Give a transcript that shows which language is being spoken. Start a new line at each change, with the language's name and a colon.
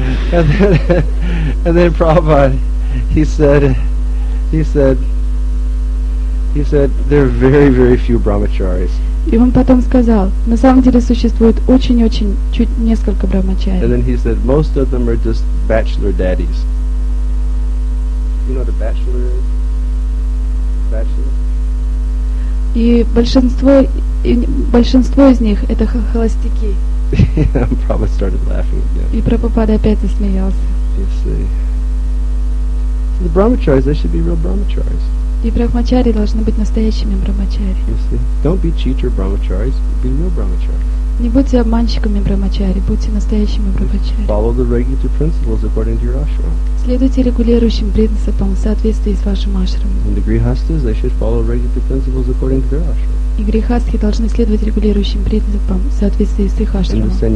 English: And then Prabhupada, he said, there are very, very few brahmacharis.
Russian: И он потом сказал, на самом деле существует очень-очень чуть несколько брахмачари.
English: And then he said, most of them are just bachelor daddies. You know what a bachelor is? Bachelor?
Russian: И большинство из них это холостяки.
English: Prabhupada started laughing again.
Russian: И Прабхупада опять засмеялся.
English: You see. So the brahmacharis, they should be real brahmacharis.
Russian: И брахмачари должны быть настоящими брахмачари.
English: You see. Don't be cheater brahmacharis, be real brahmacharis.
Russian: Не будьте обманщиками брахмачари, будьте настоящими брахмачари.
English: Follow the regulative principles according to your ashram.
Russian: Следуйте регулирующим принципам в соответствии с вашим ашрамом.
English: And the grihasthas, they should follow regulative principles according to their ashram.
Russian: И грехастхи должны следовать регулирующим принципам в соответствии с их ашрамом.